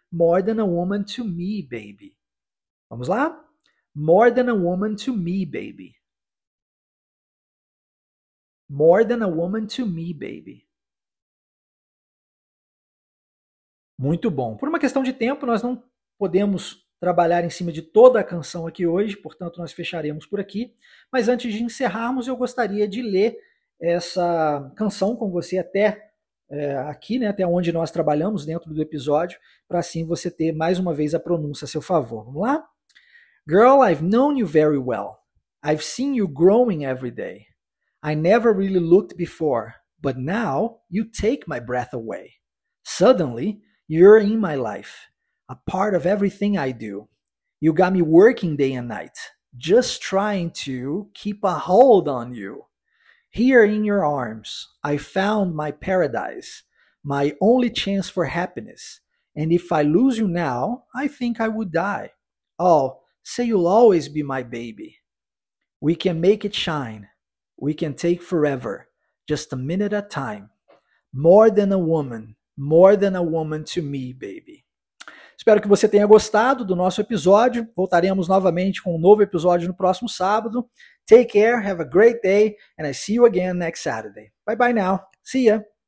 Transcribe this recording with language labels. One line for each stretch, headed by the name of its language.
English: More than a woman to me, baby.
Portuguese: Vamos lá?
English: More than a woman to me, baby. More than a woman to me, baby.
Portuguese: Muito bom. Por uma questão de tempo, nós não podemos trabalhar em cima de toda a canção aqui hoje, portanto, nós fecharemos por aqui. Mas antes de encerrarmos, eu gostaria de ler essa canção com você até aqui, né, até onde nós trabalhamos dentro do episódio, para assim você ter mais uma vez a pronúncia a seu favor. Vamos lá?
English: Girl, I've known you very well. I've seen you growing every day. I never really looked before, but now you take my breath away. Suddenly, you're in my life, a part of everything I do. You got me working day and night, just trying to keep a hold on you. Here in your arms, I found my paradise, my only chance for happiness. And if I lose you now, I think I would die. Oh, say you'll always be my baby. We can make it shine. We can take forever, just a minute at a time. More than a woman to me, baby.
Portuguese: Espero que você tenha gostado do nosso episódio. Voltaremos novamente com um novo episódio no próximo sábado.
English: Take care, have a great day, and I see you again next Saturday. Bye bye now. See ya.